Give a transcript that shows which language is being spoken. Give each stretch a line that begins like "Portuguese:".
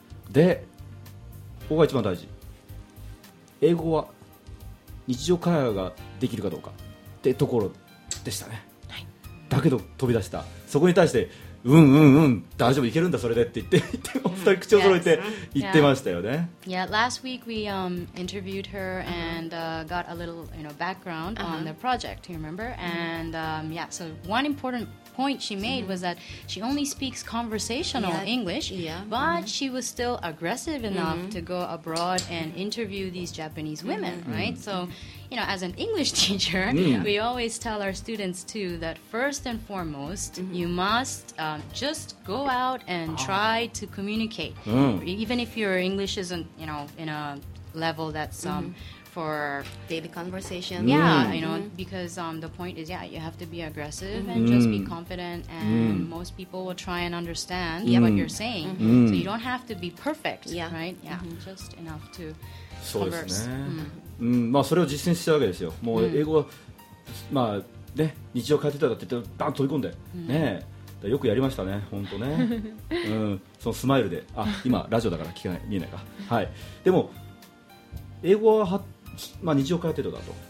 Japanese: でここが一番大事、英語は日常会話ができるかどうかってところでしたね。だけど飛び出した。そこに対してうんうんうん大丈夫いけるんだそれでって言って言って本当に口を揃えて言ってましたよね。
English: Yeah, last week we interviewed her and got a little you know background on the project. You remember? And yeah, so one important point she made was that she only speaks conversational English, but she was still aggressive enough to go abroad and interview these Japanese women, right? So. You know, as an English teacher, we always tell our students too that first and foremost, you must just go out and try to communicate. Even if your English isn't, you know, in a level that's for daily conversation. Yeah, you know, because the point is, you have to be aggressive and just be confident, and most people will try and understand what you're saying. So you don't have to be perfect, right? Yeah, just enough to converse.
Japanese: それを実践したわけですよ。もう英語は、まあね、日常変えてたらって言ってバーン飛び込んで、ね、よくやりましたね本当ね、そのスマイルで、あ、今ラジオだから聞かない見えないか、はい、でも英語 は、まあ、日常変えてただと、